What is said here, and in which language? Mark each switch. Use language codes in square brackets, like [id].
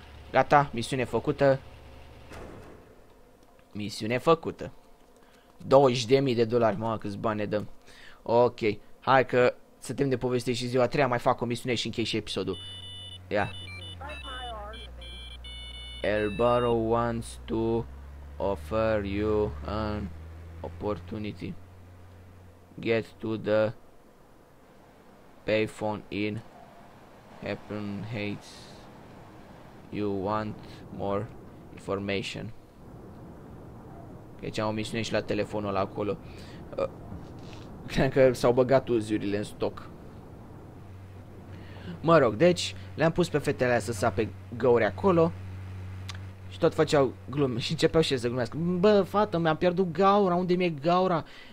[ro] Gata, misiune făcută. Misiune făcută. 20.000 de dolari, mă, câți bani ne dăm. Ok, hai că să trecem de poveste și ziua a treia, mai fac o misiune și închei și episodul. Ia. [en] Elbaro wants to offer you an opportunity. Get to the payphone in Happen Heights. You want more information. [ro] Deci am o misiune și la telefonul ăla acolo. Cred că s-au băgat uziurile în stoc. Mă rog, deci le-am pus pe fetele aia să sape găuri acolo. Și tot făceau glume și începeau și să glumească. Bă, fată, mi-am pierdut gaura, unde mi-e gaura?